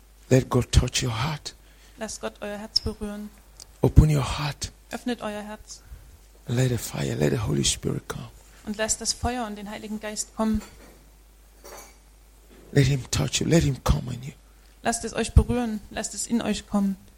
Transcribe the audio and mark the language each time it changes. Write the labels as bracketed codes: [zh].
[en] Let God touch your heart. [de] Lasst Gott euer Herz berühren. [en] Open your heart. [de] Öffnet euer Herz. [en] Let the fire, let the Holy Spirit come. [de] Und lasst das Feuer und den Heiligen Geist kommen. [en] Let him touch you, let him come on you. [de] Lasst es euch berühren, lasst es in euch kommen.